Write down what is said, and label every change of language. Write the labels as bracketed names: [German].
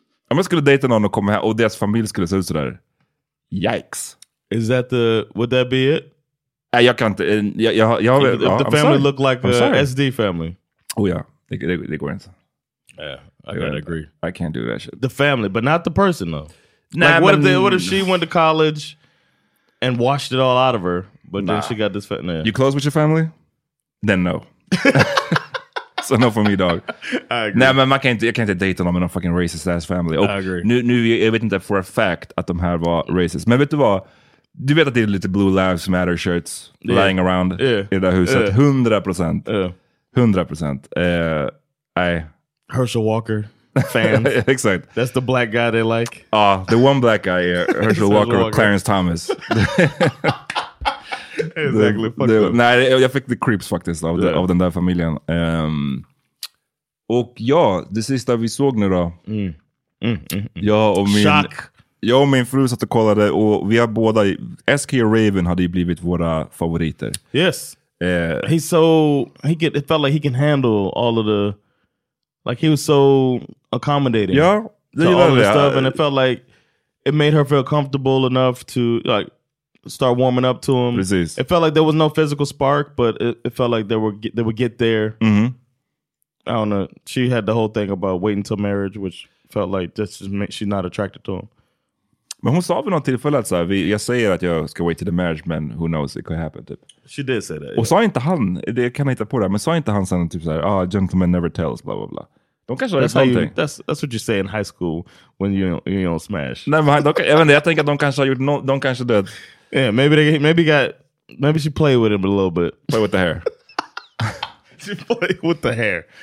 [Swedish] Om jag skulle dejta någon och komma här och deras familj skulle se ut sådär. [English] Yikes. Is that the, would that be it? [Swedish] Jag kan inte. [English] If the family look like an SD family. Oh yeah. They go into. Yeah, I gotta agree. I can't do that shit. The family, but not the person though. Nah, like, what if she went to college and washed it all out of her, but then she got this fit? Nah. You close with your family? Then no. So no for me, dog. I agree. Nah, man, I can't date them in a fucking racist ass family. Oh, I agree. [Swedish] Nu jag vet inte [English] for a fact [Swedish] att de här var racist. Men vet du vad? Du vet att det är lite [English] Blue Lives Matter shirts lying around [Swedish] i det huset. 100%. [English] Yeah. 100%. Herschel Walker fan. Exactly. That's the black guy they like. The one black guy, Herschel Walker or Clarence Thomas. Exactly. [Swedish] Jag fick [English] the creeps [Swedish] faktiskt av den där familjen. Och ja, det sista vi såg nu då. Jag och min fru satt och kollade och vi har båda, SK och Raven hade ju blivit våra favoriter. [English] Yes. Yeah. It felt like he can handle all of the, like he was so accommodating. Yeah, to all of the stuff, and it felt like it made her feel comfortable enough to like start warming up to him. [Swedish] Precis. [English] It felt like there was no physical spark, but it felt like they would get there. Mm-hmm. I don't know. She had the whole thing about waiting till marriage, which felt like she's not attracted to him. [Swedish] Men hon sa väl något tillfälle att jag säger att jag ska [English] wait to the marriage, [Swedish] men [English] who knows, it could happen, [Swedish] typ. [English] She did say that. [Swedish] Och sa inte han, det kan jag hitta på det, men sa inte han sen typ såhär, ah, [English] gentleman never tells, blah, blah, blah. [Swedish] De kanske har gjort någonting. [English] That's what you say in high school when you don't smash. [Swedish] Nej, men jag tänker att de kanske har gjort, de kanske död. [English] Yeah, maybe she played with him a little bit. Play with the hair. She played with the hair.